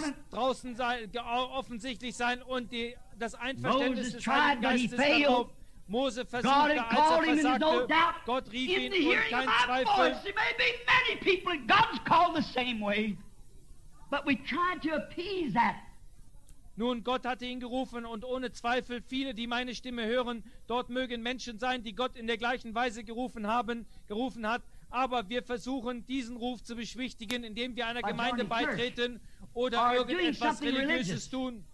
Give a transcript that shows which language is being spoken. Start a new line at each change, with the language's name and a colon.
German: draußen sein, offensichtlich sein und das Einverständnis des Heiligen Geistes darauf. Mose versuchte, als er versagte. Gott rief ihn und kein Zweifel.
English: There may be many people and God's called the same way, but we tried to appease that.
German: Nun, Gott hatte ihn gerufen und ohne Zweifel viele, die meine Stimme hören, dort mögen Menschen sein, die Gott in der gleichen Weise gerufen hat. Aber wir versuchen, diesen Ruf zu beschwichtigen, indem wir einer Gemeinde beitreten oder irgendetwas Religiöses tun.